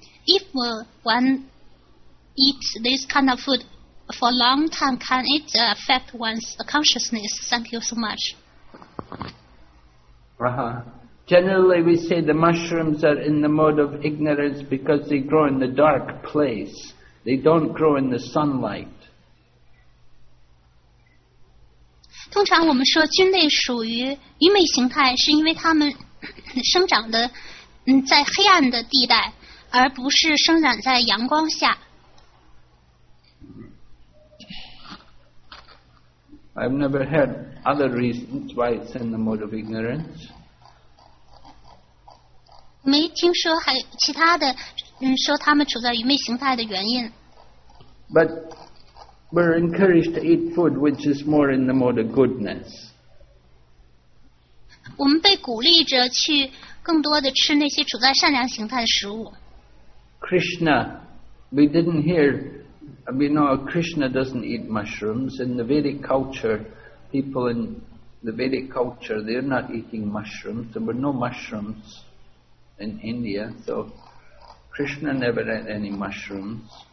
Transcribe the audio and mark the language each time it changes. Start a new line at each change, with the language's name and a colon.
English: If one eats this kind of food for a long time, can it affect one's consciousness? Thank you so much. Generally, we say the mushrooms are in the mode of ignorance because they grow in the dark place. They don't grow in the sunlight.
Chinese: 通常我们说菌类属于愚昧形态，是因为它们生长的在黑暗的地带，而不是生长在阳光下。
English: I've never heard other reasons why it's in the mode of ignorance.
Chinese: 没听说还其他的说他们处在愚昧形态的原因。
English: But we're encouraged to eat food which is more in the mode of goodness.
Chinese: 我们被鼓励着去更多的吃那些处在善良形态的食物。
English: Krishna, we didn't hear, we know Krishna doesn't eat mushrooms. In the Vedic culture, people in the Vedic culture, they're not eating mushrooms. There were no mushrooms in India, so Krishna never ate any mushrooms.